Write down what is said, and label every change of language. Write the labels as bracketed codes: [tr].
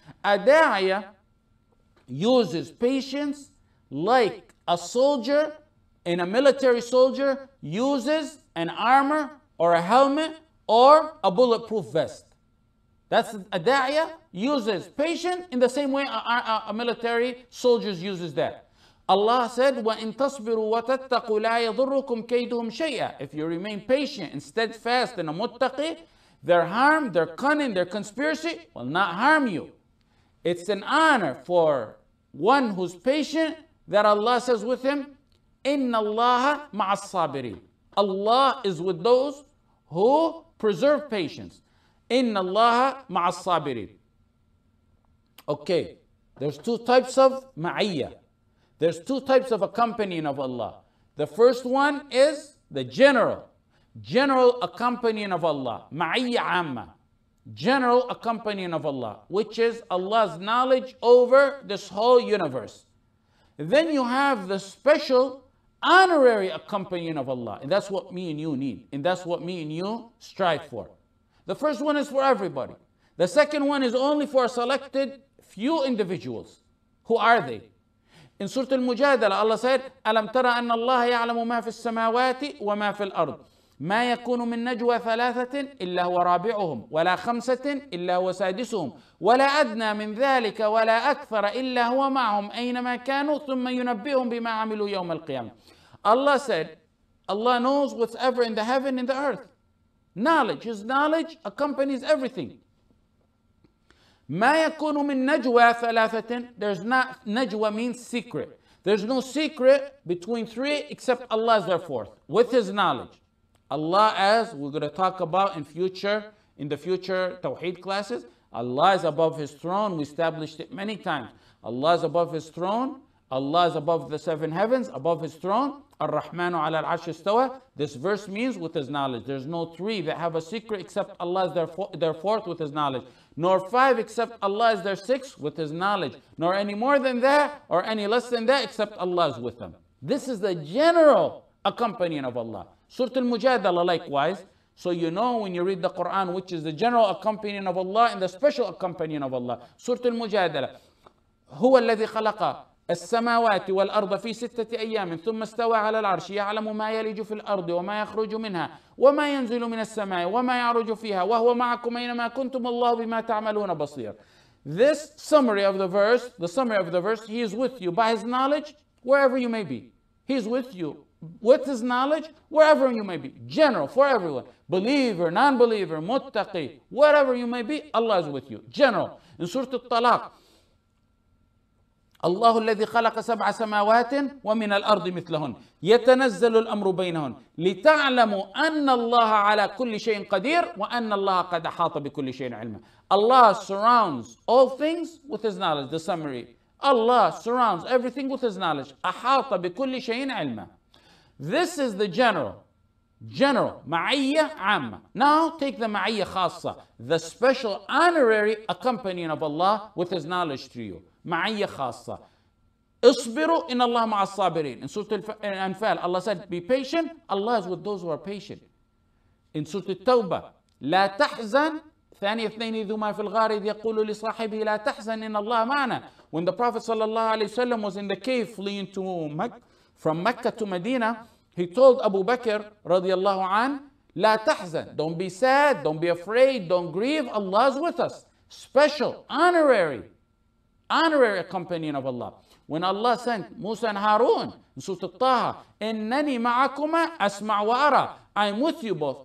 [en] A da'iyah uses patience like a soldier in a military soldier uses an armor or a helmet or a bulletproof vest. That's a da'iyah uses patience in the same way a military soldier uses that. Allah said, [ar] وَإِن تَصْبِرُوا وَتَتَّقُوا لَا يَضُرُّكُمْ كَيْدُهُمْ شَيْئًا. [en] If you remain patient and steadfast in a muttaqi, their harm, their cunning, their conspiracy will not harm you. It's an honor for one who's patient that Allah says with him, [ar] إِنَّ اللَّهَ مَعَ الصَّابِرِينَ. [en] Allah is with those who preserve patience. [ar] إِنَّ اللَّهَ مَعَ الصَّابِرِينَ. [en] Okay, there's two types of ma'iyya. There's two types of accompanying of Allah. The first one is the general accompanying of Allah, ma'iyya amma, general accompanying of Allah, which is Allah's knowledge over this whole universe. Then you have the special honorary accompanying of Allah, and that's what me and you need, and that's what me and you strive for. The first one is for everybody. The second one is only for a selected few individuals. Who are they? In Surah Al-Mujadala, Allah said, [ar] أَلَمْ تَرَ أَنَّ اللَّهَ يَعْلَمُ مَا فِي السَّمَاوَاتِ وَمَا فِي الْأَرْضِ مَا يَكُونُ مِنْ نَجْوَى ثَلَاثَةٍ إِلَّا هُوَ رَابِعُهُمْ وَلَا خَمْسَةٍ إِلَّا هُوَ سَادِسُهُمْ وَلَا أَدْنَى مِنْ ذَلِكَ وَلَا أَكْثَرَ إِلَّا هُوَ مَعَهُمْ أَيْنَمَا كَانُوا ثُمَّ يُنَبِّئُهُمْ بِمَا عَمِلُوا يَوْمَ الْقِيَامَةِ. [en] Allah said, Allah knows whatever in the heaven and the earth. Knowledge, His knowledge accompanies everything. [ar] مَا يَكُونُ مِنْ نَجْوَى ثَلَاثَةٍ. [en] There's not, najwa means secret. There's no secret between three except Allah is their fourth, with His knowledge. Allah, as we're going to talk about in the future Tawheed classes, Allah is above His throne. We established it many times. Allah is above His throne. Allah is above the seven heavens, above His throne. [ar] الرحمن على العرش استوى. [en] This verse means with His knowledge. There's no three that have a secret except Allah is their fourth with His knowledge. Nor five except Allah is their sixth with His knowledge. Nor any more than that or any less than that except Allah is with them. This is the general accompanying of Allah. Surah Al-Mujadala likewise. So you know when you read the Quran which is the general accompanying of Allah and the special accompanying of Allah. Surah Al-Mujadala. [ar] هو الذي خلق السماوات والأرض في ستة أيام ثم استوى على العرش يعلم ما يلج في الأرض وما يخرج منها وما ينزل من السماء وما يعرج فيها وهو معكم أينما كنتم الله بما تعملون بصير. [en] This summary of the verse, He is with you by His knowledge wherever you may be. He is with you with His knowledge wherever you may be. General, for everyone. Believer, non-believer, muttaqi, wherever you may be, Allah is with you. General. In Surah Al-Talaq, [ar] الله الذي خلق سبع سماوات ومن الأرض مثلهن يتنزل الأمر بينهن لتعلموا أن الله على كل شيء قدير وأن الله قد أحاط بكل شيء علما. [en] Allah surrounds all things with His knowledge. The summary. Allah surrounds everything with His knowledge. [ar] أحاط بكل شيء علما. [en] This is the general. General. [ar] معية عامة. [en] Now take the [ar] معية خاصة. [en] The special honorary accompanying of Allah with His knowledge to you. [ar] معية خاصة. اصبروا إن الله مع الصابرين. [en] In Surah Al-Anfal, Allah said, be patient. Allah is with those who are patient. In Surah Al-Tawbah, [ar] لا تحزن ثاني اثنين ذوما في الغار إذ يقول لصاحبه لا تحزن إن الله معنا. [en] When the Prophet [ar] صلى الله عليه وسلم [en] was in the cave fleeing from Mecca to Medina, he told Abu Bakr [ar] رضي الله عنه, لا تحزن. [en] Don't be sad. Don't be afraid. Don't grieve. Allah is with us. Special. Honorary. Honorary accompanying of Allah. When Allah sent Musa and Harun in Surah Al-Taha, [ar] إِنَّنِي مَعَكُمَا أَسْمَعُ وَأَرَى. [en] I'm with you both.